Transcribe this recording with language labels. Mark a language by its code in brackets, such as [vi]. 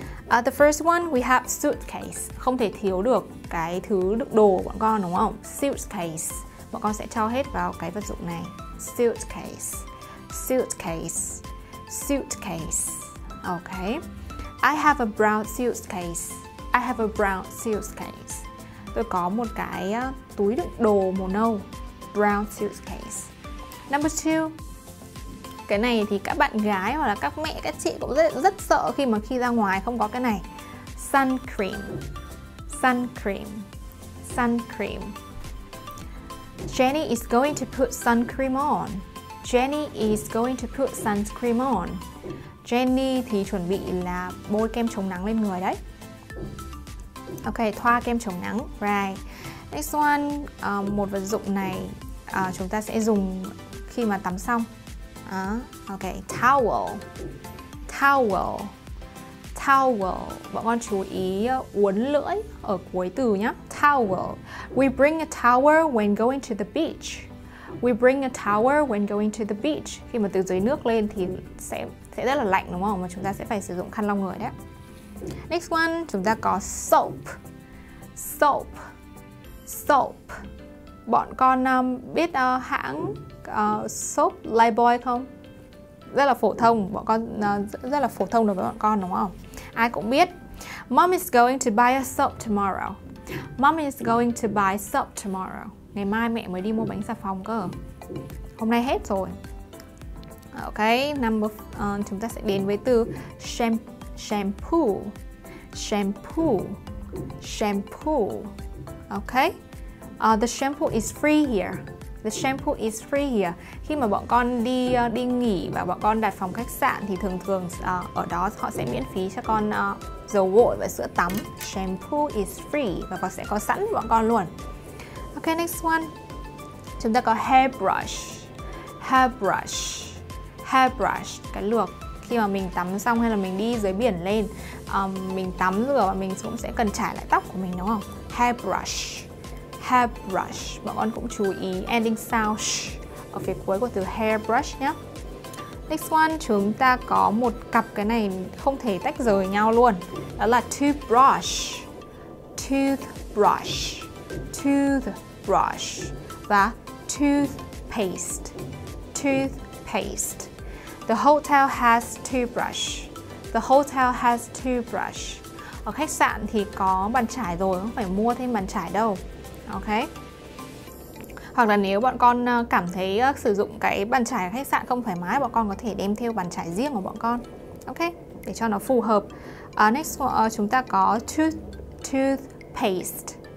[en] The first one, we have suitcase. [vi] Không thể thiếu được cái thứ đựng đồ của bọn con đúng không? Suitcase. Bọn con sẽ cho hết vào cái vật dụng này. [en] Suitcase. Suitcase. Suitcase. Ok. I have a brown suitcase. I have a brown suitcase. [vi] Tôi có một cái túi đựng đồ màu nâu. [en] Brown suitcase. Number two. [vi] Cái này thì các bạn gái hoặc là các mẹ, các chị cũng rất sợ khi mà khi ra ngoài không có cái này. [en] Sun cream. Sun cream. Sun cream. Jenny is going to put sun cream on. Jenny is going to put sun cream on. [vi] Jenny thì chuẩn bị là bôi kem chống nắng lên người đấy. Ok, thoa kem chống nắng. [en] Right. Next one, [vi] một vật dụng này chúng ta sẽ dùng khi mà tắm xong. [en] Ok, towel. Towel. Towel. [vi] Bọn con chú ý uốn lưỡi ở cuối từ nhé. [en] Towel. We bring a towel when going to the beach. We bring a towel when going to the beach. [vi] Khi mà từ dưới nước lên thì sẽ rất là lạnh đúng không? Mà chúng ta sẽ phải sử dụng khăn lau người đấy. [en] Next one, [vi] chúng ta có [en] soap. Soap. Soap. [vi] Bọn con biết hãng soap Lifebuoy không? Rất là phổ thông, bọn con rất là phổ thông đối với bọn con đúng không? Ai cũng biết. [en] Mom is going to buy a soap tomorrow. Mom is going to buy soap tomorrow. [vi] Ngày mai mẹ mới đi mua bánh xà phòng cơ. Hôm nay hết rồi. Ok, chúng ta sẽ đến với từ shampoo. [en] Shampoo. Shampoo. Ok. The shampoo is free here. The shampoo is free here. [vi] Khi mà bọn con đi nghỉ và bọn con đặt phòng khách sạn thì thường ở đó họ sẽ miễn phí cho con dầu gội và sữa tắm. [en] Shampoo is free [vi] và họ sẽ có sẵn bọn con luôn. [en] Ok, next one. [vi] Chúng ta có [en] hairbrush. Hairbrush. Hairbrush, [vi] cái lược. Khi mà mình tắm xong hay là mình đi dưới biển lên, mình tắm rửa và mình cũng sẽ cần chải lại tóc của mình đúng không? Hairbrush. Hairbrush. Bọn con cũng chú ý [en] ending sound sh [vi] ở phía cuối của từ hairbrush nhé. Next one, chúng ta có một cặp cái này không thể tách rời nhau luôn. Đó là toothbrush. Toothbrush. [en] Toothbrush. Và toothpaste. Toothpaste. The hotel has toothbrush. The hotel has toothbrush. [vi] Ở khách sạn thì có bàn chải rồi, không phải mua thêm bàn chải đâu. Ok. Hoặc là nếu bọn con cảm thấy sử dụng cái bàn chải ở khách sạn không thoải mái, bọn con có thể đem theo bàn chải riêng của bọn con. Ok, để cho nó phù hợp. [en] Next one, [vi] chúng ta có toothpaste.